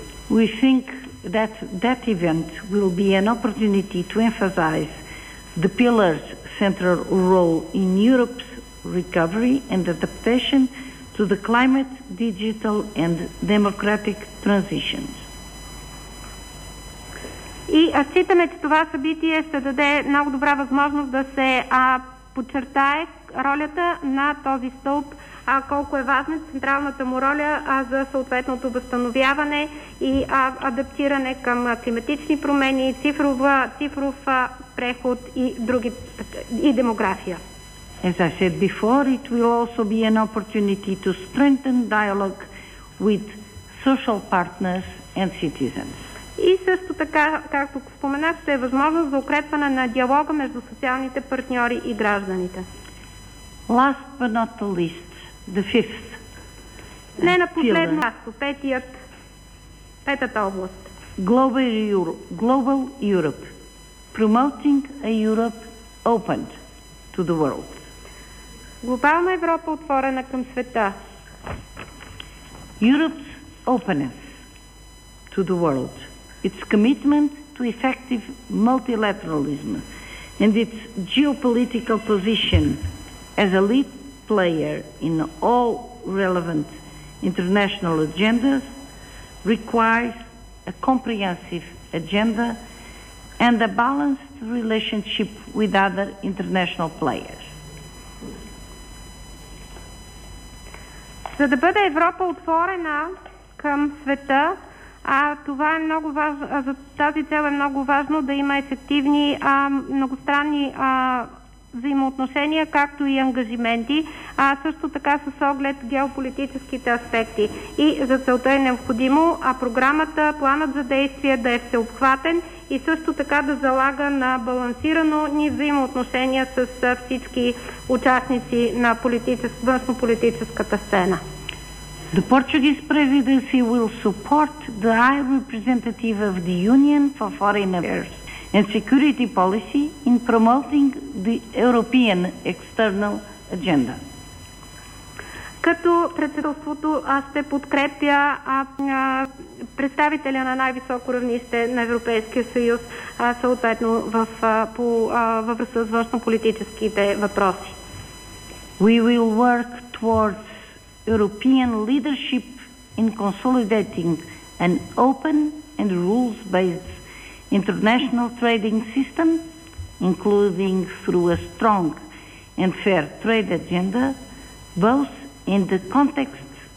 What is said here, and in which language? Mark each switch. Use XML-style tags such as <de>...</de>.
<en>We think that event will be an opportunity to emphasize the pillar's central role in Europe's recovery and adaptation to the climate, digital and democratic transitions.</en> <bg>И считаме, че това събитие ще даде много добра възможност да се подчертае ролята на този стълб, колко е важна централната му роля за съответното възстановяване и адаптиране към климатични промени, цифров преход и други и демография.</bg> <en>As I said before, it will also be an opportunity to strengthen dialogue with social partners and citizens.</en> <bg>И също така, както споменах, ще е възможност за укрепване на диалога между социалните партньори и гражданите.</bg> <en>Last but not the least, the fifth.</en> <bg>Не на последно място, петата област.</bg> <en>Global Europe. Promoting a Europe opened to the world.</en> <bg>Глобална Европа отворена към света.</bg> <en>Europe's openness to the world, its commitment to effective multilateralism and its geopolitical position as a lead player in all relevant international agendas requires a comprehensive agenda and a balanced relationship with other international players.</en> <bg>За да бъде Европа отворена към света, за тази цел е много важно да има ефективни многостранни взаимоотношения, както и ангажименти, а също така с оглед геополитическите аспекти. И за целта е необходимо програмата, планът за действие да е всеобхватен и също така да залага на балансирано ни взаимоотношения с всички участници на външно-политическата сцена.</bg> <en>The Portuguese presidency will support the high representative of the Union for Foreign Affairs and security policy in promoting the European external agenda.</en> <bg>Като председателството ще подкрепя представителя на най-високо равнище на Европейския съюз, съответно във връзка с външнополитическите въпроси.</bg> <en>We will work towards European leadership in consolidating an open and rules-based international trading system, including through a strong and fair trade agenda, both in the context</en>